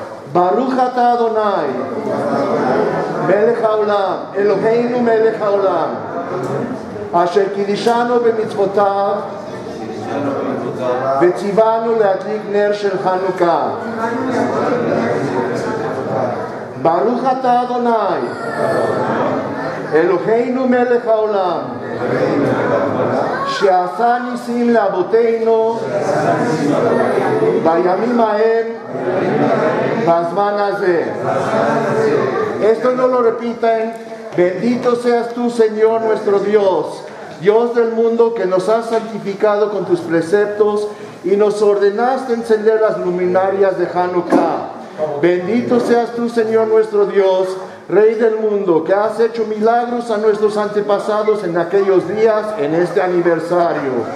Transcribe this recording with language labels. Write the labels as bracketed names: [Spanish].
[Hebrew] Baruch Ata Adonai Melech Haolam Eloheinu Melech Haolam Asher Kidishanu B'mitzvotav וציוונו להדליק נר של חנוכה. ברוך אתה אדוני אלוהינו מלך העולם שעשה ניסים לאבותינו בימים ההם בזמן הזה. [Spanish] Esto no lo repiten. Bendito seas tú, Señor nuestro Dios, Dios del mundo, que nos has santificado con tus preceptos y nos ordenaste encender las luminarias de Hanukkah. Bendito seas tú, Señor nuestro Dios, Rey del mundo, que has hecho milagros a nuestros antepasados en aquellos días, en este aniversario.